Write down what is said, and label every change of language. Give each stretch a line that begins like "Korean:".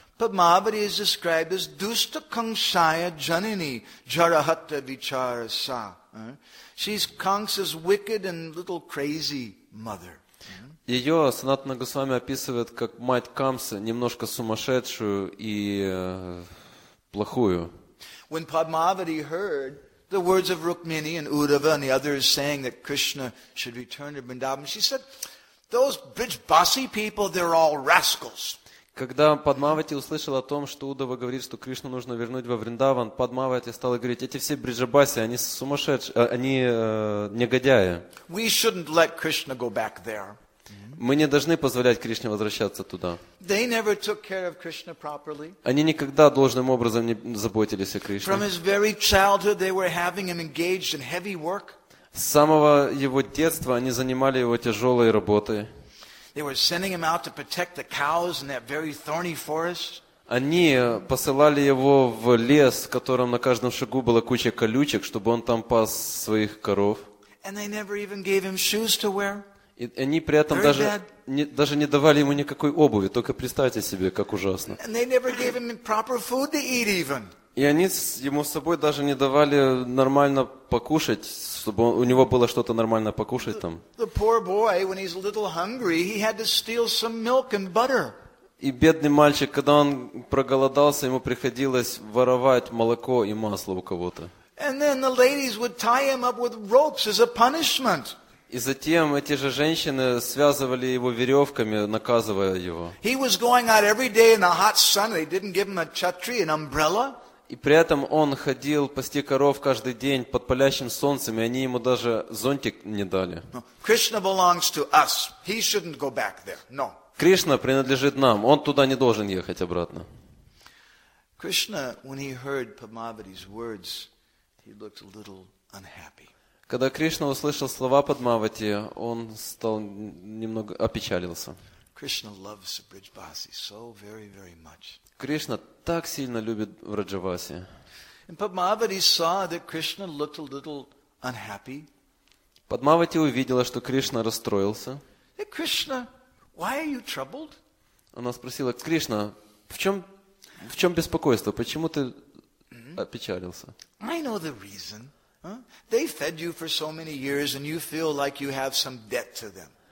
English: Padmavati is described as
Sanskrit: Dusta Kamsaya Janini Jarahatta Vicharasa.
English: She's Kamsa's wicked and little crazy mother.
Russian: Ее Санатана Госвами описывает как мать Камсы, немножко сумасшедшую и плохую.
English: When Padmavati heard the words of Rukmini and Uddhava and the others saying that Krishna should return to Vrindavan, she said, "Those Brijbasi people, they're all rascals."
Russian: Когда Падмавати услышал о том, что Удава говорит, что Кришну нужно вернуть во Вриндаван, Падмавати стала говорить, эти все бриджабаси, они сумасшедшие, они негодяи.
English: We shouldn't let Krishna go back there.
Russian: Мы не должны позволять Кришне возвращаться туда.
English: They never took care of Krishna properly.
Russian: Они никогда должным образом не заботились о Кришне.
English: From his very childhood, they were having him engaged in heavy work.
Russian: С самого его детства они занимали его тяжелой работой.
English: They were sending him out to protect the cows in that very thorny forest.
Russian: Они посылали его в лес, в котором на каждом шагу была куча колючек, чтобы он там пас своих коров.
English: And they never even gave him shoes to wear.
Russian: И они при этом даже не давали ему никакой обуви. Только представьте себе, как ужасно.
English: And they never gave him proper food to eat even.
Russian: И они ему с собой даже не давали нормально покушать, чтобы у него было что-то нормально покушать там.
English: The poor boy, when he's a little hungry, he had to steal some milk and butter.
Russian: И бедный мальчик, когда он проголодался, ему приходилось воровать молоко и масло у кого-то.
English: And then the ladies would tie him up with ropes as a punishment.
Russian: И затем эти же женщины связывали его веревками, наказывая его.
English: He was going out every day in the hot sun. They didn't give him a chhatri, an umbrella.
Russian: И при этом он ходил пасти коров каждый день под палящим солнцем, и они ему даже зонтик не дали.
English: Krishna belongs to us. He shouldn't go back there. No.
Russian: Кришна принадлежит нам. Он туда не должен ехать обратно.
English: Krishna, when he heard Padmavati's words, he looked a little unhappy.
Russian: Когда Кришна услышал слова Падмавати, он стал немного опечалился.
English: Krishna loves Vrajavasi so very, very much.
Russian: Кришна так сильно любит Враджаваси.
English: And Padmavati saw that Krishna looked a little unhappy.
Russian: Падмавати увидела, что Кришна расстроился.
English: Hey, Krishna, why are you troubled?
Russian: Она спросила: Кришна, в чем беспокойство? Почему ты опечалился?
English: I know the reason. They fed you for so many years, and you feel like you have some debt to them.